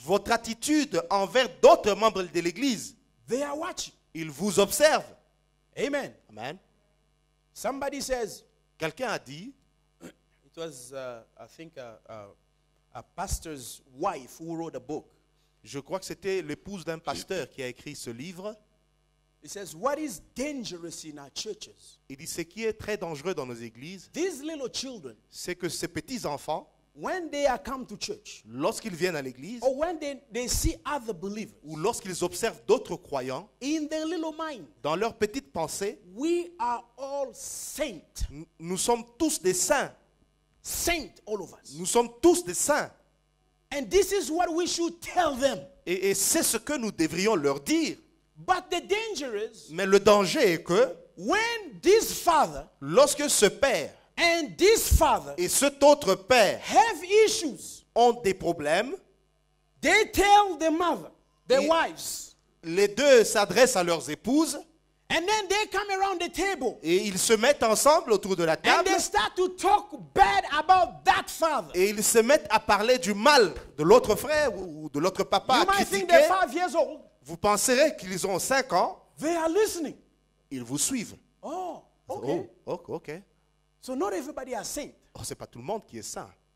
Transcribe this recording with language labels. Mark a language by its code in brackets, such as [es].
[fr] Votre attitude envers d'autres membres de l'église. [en] They are watching. [fr] Ils vous observent. [en] Amen. [fr] Amen. [en] Somebody says. [fr] Quelqu'un a dit. [en] It was, I think, a pastor's wife who wrote a book. [fr] Je crois que c'était l'épouse d'un pasteur qui a écrit ce livre. [en] He says, what is dangerous in our churches? [fr] Il dit, ce qui est très dangereux dans nos églises, [en] these little children, [fr] c'est que ces petits enfants, [en] when they are come to church, [fr] lorsqu'ils viennent à l'église, [en] or when they see other believers, [fr] ou lorsqu'ils observent d'autres croyants, [en] in their little mind, [fr] dans leur petite pensée, [en] we are all saints. [fr] Nous sommes tous des saints. [en] Saint, all of us. [fr] Nous sommes tous des saints. [en] And this is what we should tell them. [fr] Et c'est ce que nous devrions leur dire. [en] But the danger is, [fr] mais le danger est que [en] when this father, [fr] lorsque ce père [en] and this father, [fr] et cet autre père [en] have issues, [fr] ont des problèmes, [en] they tell the mother, their wives, [fr] les deux s'adressent à leurs épouses. [en] And then they come around the table. [fr] Et ils se mettent ensemble autour de la table. [en] And they start to talk bad about that father. [fr] Et ils se mettent à parler du mal de l'autre frère ou de l'autre papa. [en] You might think they're 5 years old. [fr] Vous penserez qu'ils ont 5 ans. [en] They are listening. [fr] Ils vous suivent. [en] Oh, okay. So not everybody are saint. [fr] Oh, c'est pas tout le monde qui est saint.